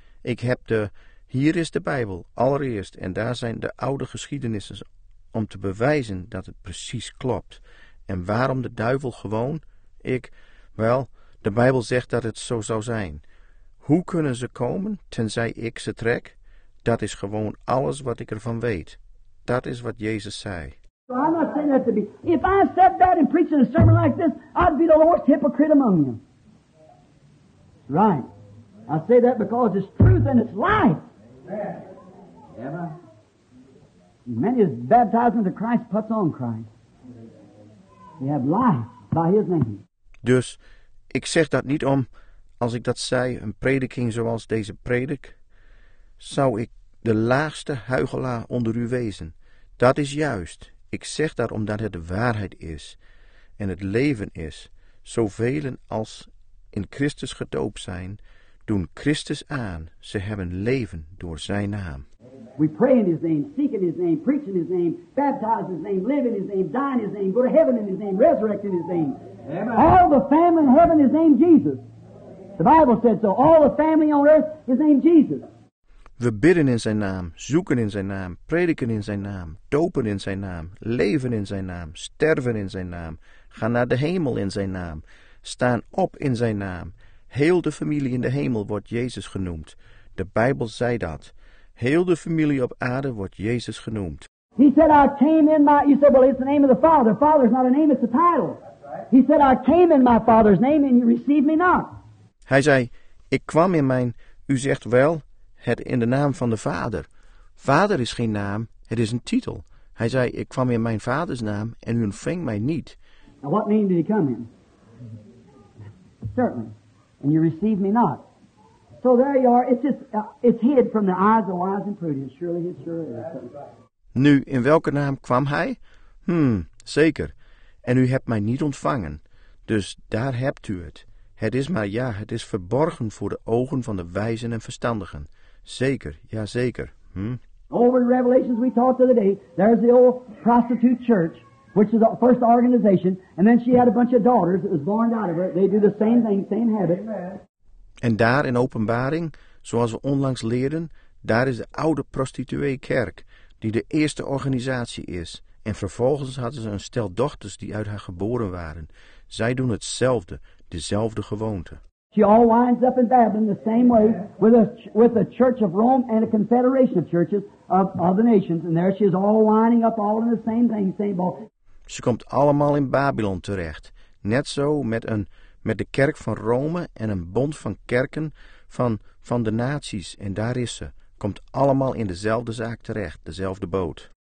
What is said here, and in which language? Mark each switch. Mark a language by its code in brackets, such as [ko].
[nl] Ik heb hier is de Bijbel, allereerst. En daar zijn de oude geschiedenissen om te bewijzen dat het precies klopt. En waarom de duivel gewoon? Wel, de Bijbel zegt dat het zo zou zijn. Hoe kunnen ze komen, tenzij ik ze trek? Dat is gewoon alles wat ik ervan weet. Dat is wat Jezus zei. [en] So I'm not saying that to be. If I said that and preached a sermon like this, I'd be the worst hypocrite among you. Right. I say that because it's truth and it's life. Amen. Many is baptized into Christ, puts on Christ. We have life by his name. [nl] Dus, ik zeg dat niet om... Als ik dat zei, een prediking zoals deze predik, zou ik de laagste huichelaar onder u wezen. Dat is juist. Ik zeg dat omdat het de waarheid is en het leven is. Zovelen als in Christus gedoopt zijn, doen Christus aan. Ze hebben leven door zijn naam. [en] We pray in his name, seek in his name, preach in his name, baptize in his name, live in his name, die in his name, go to heaven in his name, resurrect in his name. Amen. All the family in heaven is named Jesus. The Bible said so. All the family on earth is named Jesus. [nl] We bidden in zijn naam, zoeken in zijn naam, prediken in zijn naam, dopen in zijn naam, leven in zijn naam, sterven in zijn naam, gaan naar de hemel in zijn naam, staan op in zijn naam. Heel de familie in de hemel wordt Jezus genoemd. De Bijbel zei dat. Heel de familie op aarde wordt Jezus genoemd. [en] He said, I came in my... You said, well, it's the name of the Father. Father is not a name, it's a title. Right. He said, I came in my Father's name and you received me not. [nl] Hij zei, ik kwam in mijn, u zegt wel, het in de naam van de Vader. Vader is geen naam, het is een titel. Hij zei, ik kwam in mijn vaders naam en u ontving mij niet. [en] Now what name did he come in? Certainly. And you received me not. So there you are, it's hid from the eyes of wise and prudent. Surely it sure is. [nl] Nu, in welke naam kwam hij? Zeker. En u hebt mij niet ontvangen. Dus daar hebt u het. Het is maar ja, het is verborgen voor de ogen van de wijzen en verstandigen. Zeker, ja zeker. [en] Over in Revelations we talked the other day, there's the old prostitute church, which is the first organization, and then she had a bunch of daughters that was born out of her. They do the same thing, same habit. [nl] En daar in Openbaring, zoals we onlangs leerden, daar is de oude prostituee kerk, die de eerste organisatie is. En vervolgens hadden ze een stel dochters die uit haar geboren waren. Zij doen hetzelfde, dezelfde gewoonte. [en] She all winds up in Babylon the same way with a church of Rome and a confederation of churches of other nations. And there she is all winding up all in the same thing, same boat. [nl] Ze komt allemaal in Babylon terecht. Net zo met de kerk van Rome en een bond van kerken van de naties. En daar is ze. Komt allemaal in dezelfde zaak terecht, dezelfde boot.